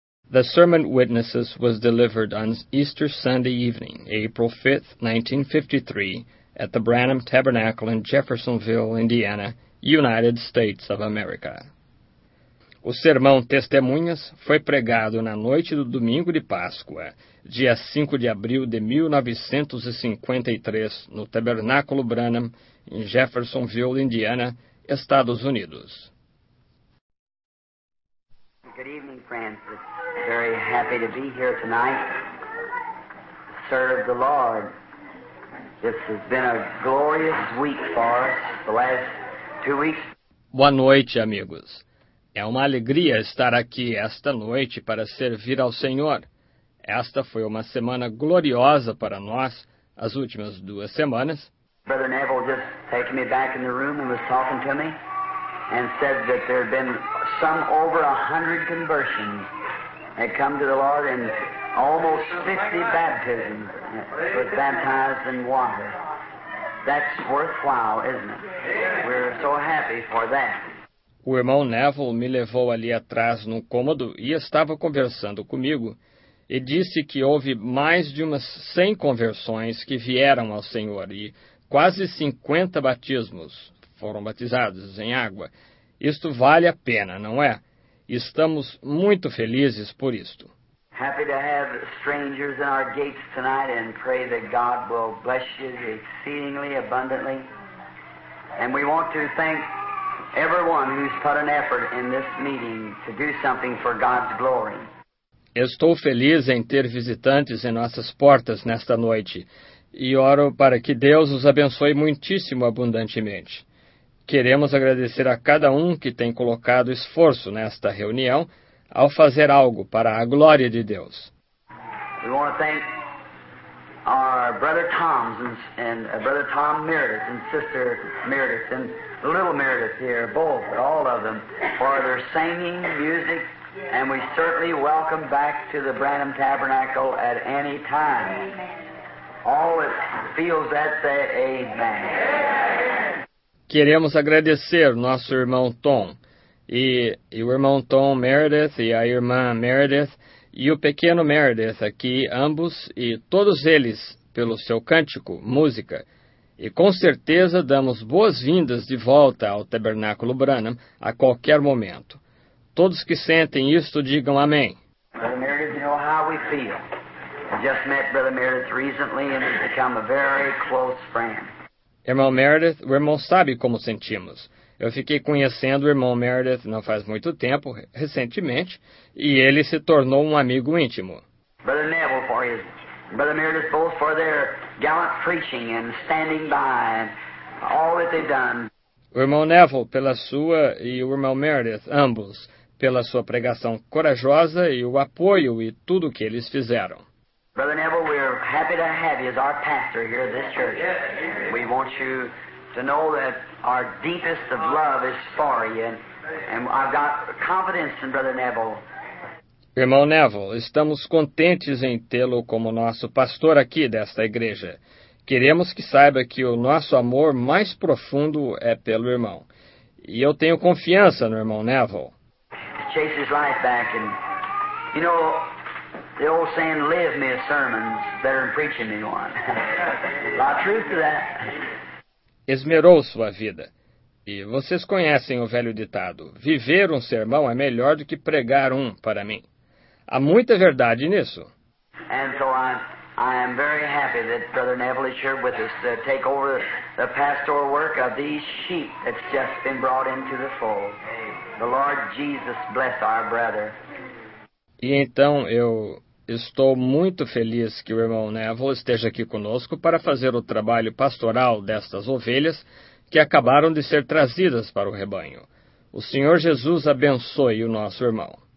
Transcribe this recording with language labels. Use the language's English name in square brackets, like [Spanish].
[English] The Sermon Witnesses was delivered on Easter Sunday evening, April 5, 1953, at the Branham Tabernacle in Jeffersonville, Indiana, United States of America. [Portuguese] O sermão Testemunhas foi pregado na noite do domingo de Páscoa, dia 5 de abril de 1953, no Tabernáculo Branham, em Jeffersonville, Indiana, Estados Unidos. [English] Good evening, Francis. Very happy to be here tonight to serve the Lord. This has been a glorious week for us, the last 2 weeks. [Portuguese] Boa noite, amigos. É uma alegria estar aqui esta noite para servir ao Senhor. Esta foi uma semana gloriosa para nós, as últimas 2 semanas. [English] Brother Neville just taken me back in the room and was talking to me and said that there have been some over 100 conversions that come to the Lord and almost 50 baptisms with baptized in water. That's worthwhile, isn't it? We're so happy for that. [Portuguese] O irmão Neville me levou ali atrás num cômodo e estava conversando comigo e disse que houve mais de umas 100 conversões que vieram ao Senhor e quase 50 batismos foram batizados em água. Isto vale a pena, não é? Estamos muito felizes por isto. [English] Happy to have strangers in our gates tonight and pray that God will bless you exceedingly abundantly. And we want to thank everyone who's put an effort in this meeting to do something for God's glory. [Portuguese] Estou feliz em ter visitantes em nossas portas nesta noite e oro para que Deus os abençoe muitíssimo abundantemente. Queremos agradecer a cada um que tem colocado esforço nesta reunião ao fazer algo para a glória de Deus. [English] We want to thank our brother Tom's and brother Tom Meredith and sister Meredith and little Meredith here, both, all of them, for their singing, music, and we certainly welcome back to the Branham Tabernacle at any time. All that feels that say amen. [Portuguese] Queremos agradecer nosso irmão Tom e o irmão Tom Meredith e a irmã Meredith e o pequeno Meredith aqui, ambos e todos eles, pelo seu cântico, música. E com certeza damos boas-vindas de volta ao Tabernáculo Branham a qualquer momento. Todos que sentem isto, digam amém. [English] Brother Meredith, you know how we feel. I just met Brother Meredith recently and he's become a very close friend. [Portuguese] Irmão Meredith, o irmão sabe como sentimos. Eu fiquei conhecendo o irmão Meredith não faz muito tempo, recentemente, e ele se tornou um amigo íntimo. [English] Brother Neville, for his, Brother Meredith, both for their gallant preaching and standing by and all that they've done. [Portuguese] O irmão Neville, pela sua, e o irmão Meredith, ambos, pela sua pregação corajosa e o apoio e tudo o que eles fizeram. [English] Brother Neville, we are happy to have you as our pastor here at this church. We want you to know that our deepest of love is for you, and I've got confidence in Brother Neville. [Portuguese] Irmão Neville, estamos contentes em tê-lo como nosso pastor aqui desta igreja. Queremos que saiba que o nosso amor mais profundo é pelo irmão. E eu tenho confiança no irmão Neville. [English] He chases his life back, and you know, the old saying, live me a sermon, better than preaching me one. A lot of truth to that. [Portuguese] Esmerou sua vida. E vocês conhecem o velho ditado, viver um sermão é melhor do que pregar um para mim. Há muita verdade nisso. [English] And so I am very happy that Brother Neville is here with us to take over the pastoral work of these sheep that's just been brought into the fold. The Lord Jesus bless our brother. [Portuguese] E então eu estou muito feliz que o irmão Neville esteja aqui conosco para fazer o trabalho pastoral destas ovelhas que acabaram de ser trazidas para o rebanho. O Senhor Jesus abençoe o nosso irmão.